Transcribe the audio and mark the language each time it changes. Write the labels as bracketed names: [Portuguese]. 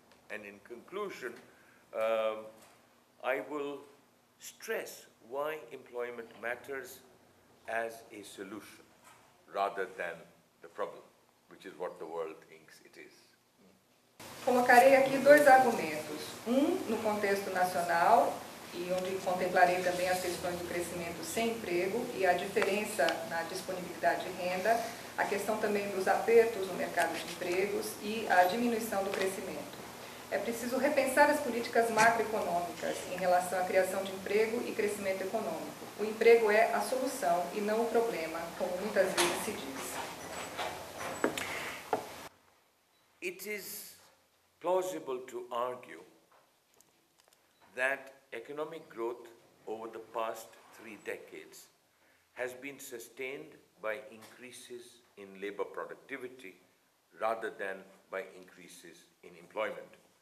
[English] And in conclusion, I will stress why employment matters as a solution rather than the problem, which is what the world thinks it is. [Portuguese] Colocarei aqui dois argumentos. Um no contexto nacional, e onde contemplarei também as questões do crescimento sem emprego e a diferença na disponibilidade de renda, a questão também dos apertos no mercado de empregos e a diminuição do crescimento. É preciso repensar as políticas macroeconômicas em relação à criação de emprego e crescimento econômico. O emprego é a solução e não o problema, como muitas vezes se diz. [English] It is plausible to argue that economic growth over the past three decades has been sustained by increases in labor productivity rather than by increases in employment.